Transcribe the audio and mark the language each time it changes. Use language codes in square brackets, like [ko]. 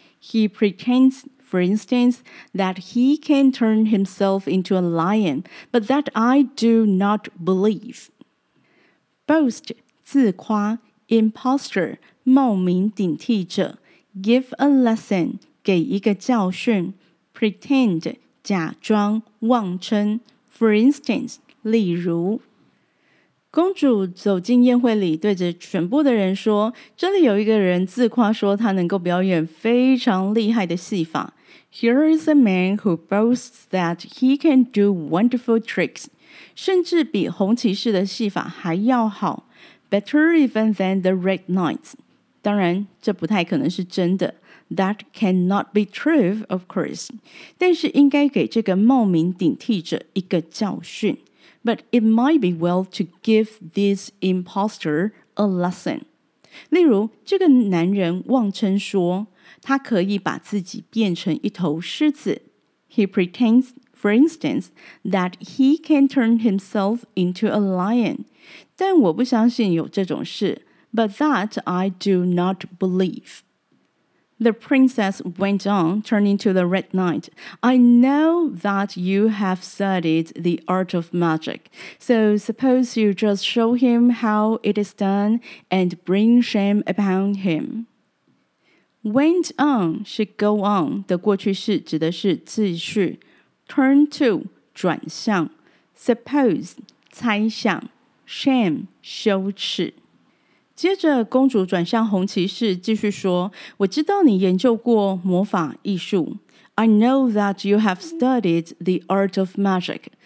[en] He pretends, for instance, that he can turn himself into a lion, but that I do not believe. [zh] Boast, 自夸 Imposter, 冒名顶替者 Give a lesson, 给一个教训 Pretend, 假装妄称 For instance, 例如公主走进宴会里对着全部的人说这里有一个人自夸说他能够表演非常厉害的戏法 [en] Here is a man who boasts that he can do wonderful tricks. [zh] 甚至比红骑士的戏法还要好 [en] Better even than the red knights [zh] 当然这不太可能是真的 [en] That cannot be true of course [zh] 但是应该给这个冒名顶替者一个教训 [en] But it might be well to give this imposter a lesson [zh] 例如这个男人妄称说他可以把自己变成一头狮子 [en] He pretendsFor instance, that he can turn himself into a lion. [zh] 但我不相信有这种事 [en] But that I do not believe. The princess went on, turning to the red knight. I know that you have studied the art of magic. So suppose you just show him how it is done and bring shame upon him. [zh] Went on 是 go on 的过去式指的是继续。 Turn to, 转向 Suppose, 猜想 Shame, 羞耻接着公主转向红骑士继续说我知道你研究过魔法艺术 [en] I know that you have studied the art of magic